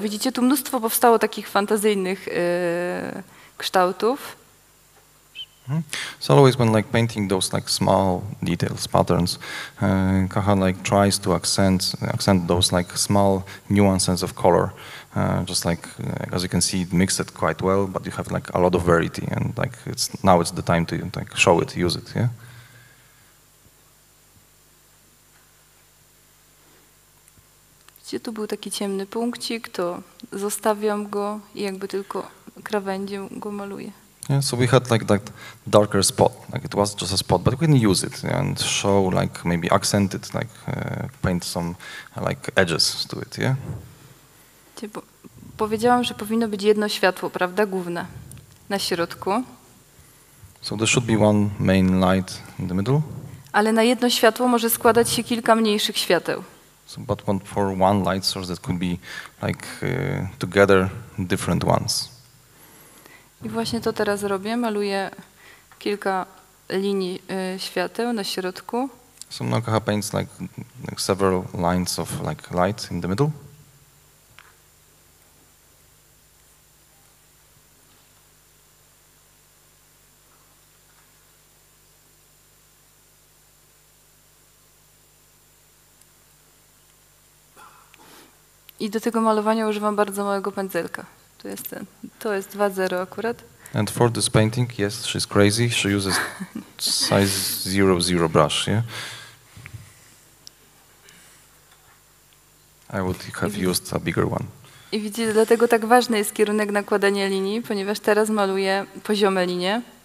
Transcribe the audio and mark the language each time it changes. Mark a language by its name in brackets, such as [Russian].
[Polish] Widzicie, tu mnóstwo powstało takich fantazyjnych kształtów. [English] So always when like painting those like small details, patterns, Kaha like tries to accent those like small nuances of color. Just like as you can see, it mixed it quite well, but you have like a lot of variety and like it's now it's the time to like show it, use it, yeah? [Polish] Gdzie tu był taki ciemny punkcik, to zostawiam go i jakby tylko krawędzią go maluję. [English] Yeah, so we had like that darker spot, like it was just a spot, but we can use it and show like maybe accent it, like paint some like edges to it, yeah? [Polish] Powiedziałam, że powinno być jedno światło, prawda, główne, na środku. [English] So there should be one main light in the middle. [Polish] Ale na jedno światło może składać się kilka mniejszych świateł. [English] So, but one for one light source that could be like together different ones. [Polish] I właśnie to teraz robię, maluję kilka linii świateł na środku. [English] So now Kaha paints like several lines of like light in the middle. [Polish] I do tego malowania używam bardzo małego pędzelka. To jest ten, to jest 2.0 akurat. [English] And for this painting, yes, she's crazy. She uses size 0.0 brush, yeah? I would have used a bigger one. [Polish] I widzicie, dlatego tak ważny jest kierunek nakładania linii, ponieważ teraz maluję poziome linie.